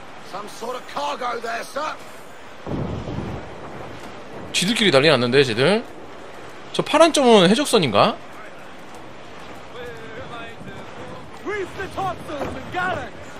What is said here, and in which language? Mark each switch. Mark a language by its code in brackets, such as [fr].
[en] Some sort of cargo there, sir. [ko] 쟤들끼리 난리 났는데, 쟤들? 저 파란 점은 해적선인가? [en] Reef the topsails and gallants.